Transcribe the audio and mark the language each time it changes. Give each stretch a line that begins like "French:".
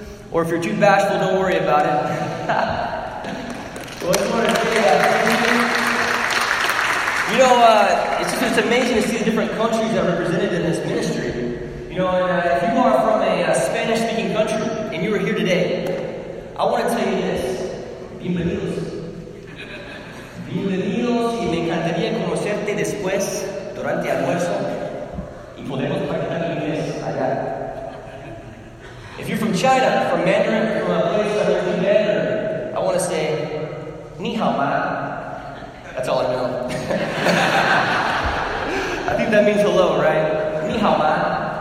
English: Or if you're too bashful, don't worry about it. Well, I just want to say that. You know, it's amazing to see the different countries that are represented in this ministry. You know, if you are from a Spanish-speaking country and you are here today, I want to tell you this.
Spanish: Bienvenidos. Bienvenidos y me encantaría conocerte después durante almuerzo. Y podemos practicar en inglés allá.
English: If you're from China, from Mandarin, from a place that you're better, I want to say,
Chinese: ni hao ma.
English: That's all I know. I think that means hello, right?
Chinese: Ni hao ma.